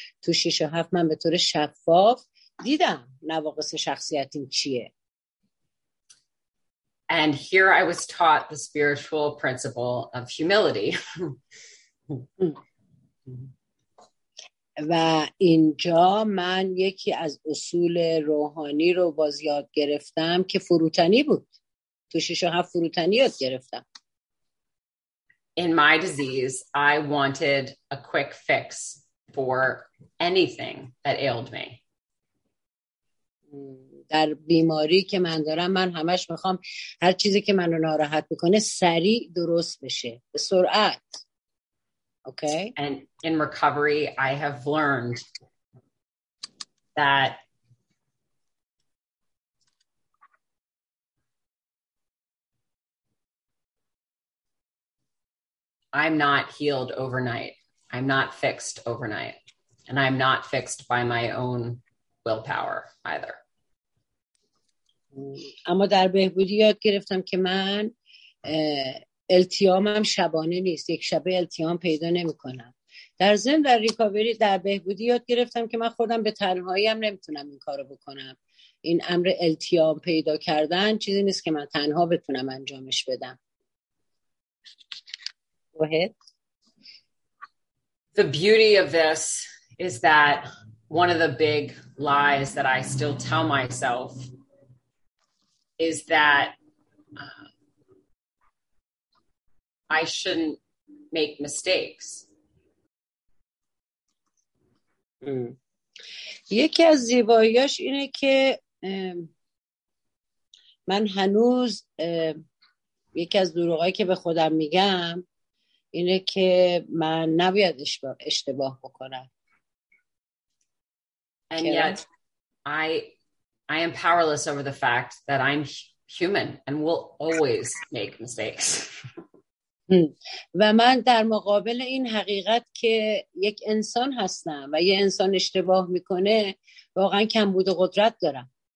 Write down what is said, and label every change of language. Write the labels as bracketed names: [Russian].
[Persian] تو 6 و 7 من به طور شفاف دیدم نواقص شخصیتیم چیه. [English] And here I was taught the spiritual principle of humility. [Persian] و اینجا من یکی از اصول روحانی رو باز یاد گرفتم که فروتنی بود. تو 6 و 7 فروتنی یاد گرفتم. [English] In my disease, I wanted a quick fix for anything that ailed me. [Persian] در بیماری که من دارم من همش میخوام هر چیزی که منو ناراحت میکنه سریع درست بشه به سرعت. [English] Okay. And in recovery, I have learned that I'm not healed overnight. I'm not fixed overnight. And I'm not fixed by my own willpower either. [Persian] اما در بهبودی یاد گرفتم که من التیامم شبانه نیست. یک شبه التیام پیدا نمی کنم. در ضمن در ریکاوری در بهبودی یاد گرفتم که من خودم به تنهایی هم نمیتونم این کارو بکنم. این امر التیام پیدا کردن چیزی نیست که من تنها بتونم انجامش بدم. [English] Go ahead. The beauty of this is that one of the big lies that I still tell myself is that I shouldn't make mistakes. [Persian] یکی از زیبایی‌هاش اینه که من هنوز یکی از دروغایی که به خودم میگم اینه که من نباید اشتباه بکنم. [English] And yet I am powerless over the fact that I'm human and will always make mistakes. [Persian] و من در مقابل این حقیقت که یک انسان هستم و یه انسان اشتباه میکنه واقعا کمبود قدرت دارم.